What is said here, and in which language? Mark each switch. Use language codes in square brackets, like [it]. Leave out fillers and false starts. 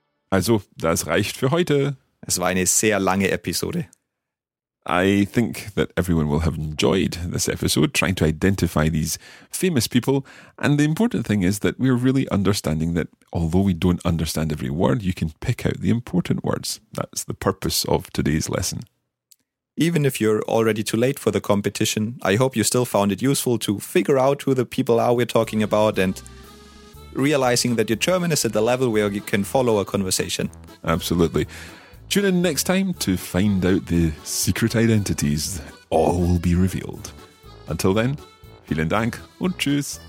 [de] Also, das reicht für heute. Es war eine sehr lange Episode. [en] I think that everyone will have enjoyed this episode, trying to identify these famous people. And the important thing is that we're really understanding that although we don't understand every word, you can pick out the important words. That's the purpose of today's lesson. Even if you're already too late for the competition, I hope you still found it useful to figure out who the people are we're talking about and realizing that your German is at the level where you can follow a conversation. Absolutely. Tune in next time to find out the secret identities. All will be revealed. Until then, [de] vielen Dank und tschüss.